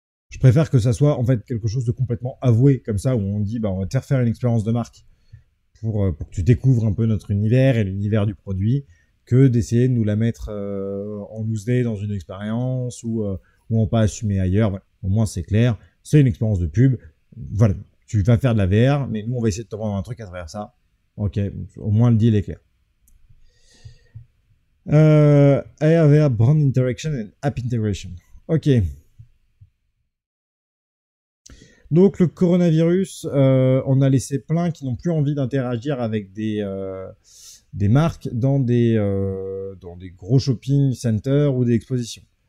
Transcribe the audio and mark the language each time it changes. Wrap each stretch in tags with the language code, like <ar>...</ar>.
<fr>Je préfère que ça soit en fait quelque chose de complètement avoué, comme ça, où on dit, bah, on va te faire faire une expérience de marque pour que tu découvres un peu notre univers et l'univers du produit, que d'essayer de nous la mettre en loose day dans une expérience ou en pas assumer ailleurs. Voilà. Au moins, c'est clair, c'est une expérience de pub. Voilà, tu vas faire de la VR, mais nous, on va essayer de te vendre un truc à travers ça. Ok, au moins le deal est clair.</fr> <en>AR/VR brand interaction and app integration.</en> <fr>Ok. Donc le coronavirus, on a laissé plein qui n'ont plus envie d'interagir avec des marques dans des gros shopping centers ou des expositions.</fr>